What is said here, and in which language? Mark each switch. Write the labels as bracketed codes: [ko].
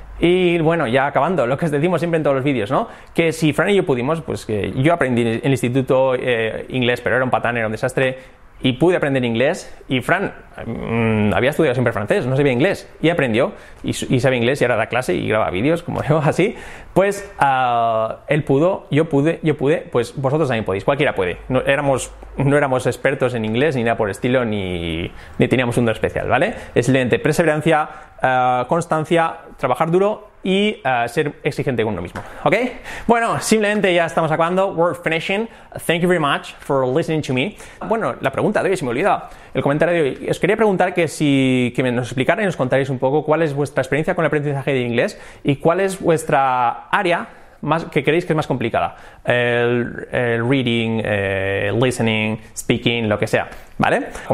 [es] Y bueno, ya acabando, lo que os decimos siempre en todos los vídeos, ¿no? Que si Fran y yo pudimos, pues que yo aprendí en el instituto inglés, pero era un patán, era un desastre, y pude aprender inglés, y Fran había estudiado siempre francés, no sabía inglés, y aprendió, y sabe inglés, y ahora da clase y graba vídeos, como yo, así, pues él pudo, yo pude, pues vosotros también podéis, cualquiera puede. No éramos expertos en inglés, ni nada por estilo, ni teníamos un don especial, ¿vale? Es simplemente perseverancia, constancia, trabajar duro y ser exigente con uno mismo, ¿ok? Bueno, simplemente ya estamos acabando, [en] we're finishing, thank you very much for listening to me. [es] Bueno, la pregunta de hoy, se me olvidaba, el comentario de hoy, os quería preguntar que nos explicarais y nos contarais un poco cuál es vuestra experiencia con el aprendizaje de inglés y cuál es vuestra área más, que creéis que es más complicada, el reading, listening, speaking, lo que sea, ¿vale?